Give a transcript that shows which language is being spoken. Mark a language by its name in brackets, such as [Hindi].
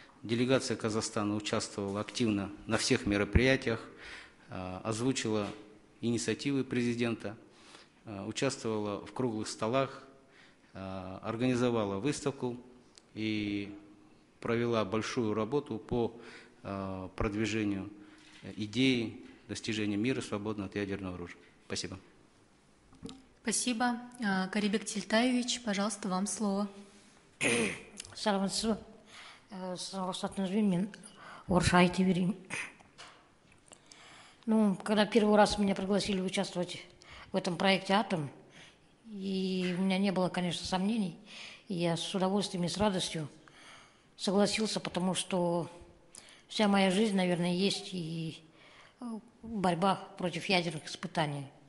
[Russian] Делегация Казахстана участвовала активно на всех мероприятиях, озвучила инициативы президента, участвовала в круглых столах, организовала выставку и провела большую работу по продвижению идеи достижения мира свободного от ядерного оружия. Спасибо. Спасибо. Карибек Тильтаевич, пожалуйста, вам слово. [Kazakh] Саламатсызбы. Сіздің рұқсатыңызбен мен орысша айта берейін. [Russian] Ну, когда первый раз меня пригласили участвовать в этом проекте «Атом», и у меня не было, конечно, сомнений, я с удовольствием и с радостью согласился, потому что вся моя жизнь, наверное, есть и борьба против ядерных испытаний.